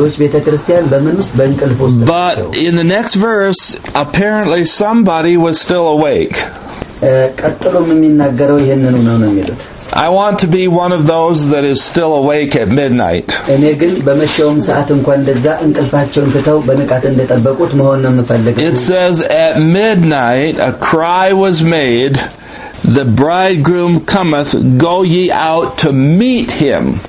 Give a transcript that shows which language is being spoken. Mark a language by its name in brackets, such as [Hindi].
[English] But in the next verse, apparently somebody was still awake. [Amharic] ቀጥሎም የሚናገረው ይሄንን ነው የሚሉት [English] I want to be one of those that is still awake at midnight. [Amharic] እኔ ግን በመሸውም ሰዓት እንኳን ደጋ እንቅልፋቸውን ትተው በንቃት እንደጠበቁት መሆን ነው የምፈልገው. [English] It says at midnight a cry was made, the bridegroom cometh, go ye out to meet him.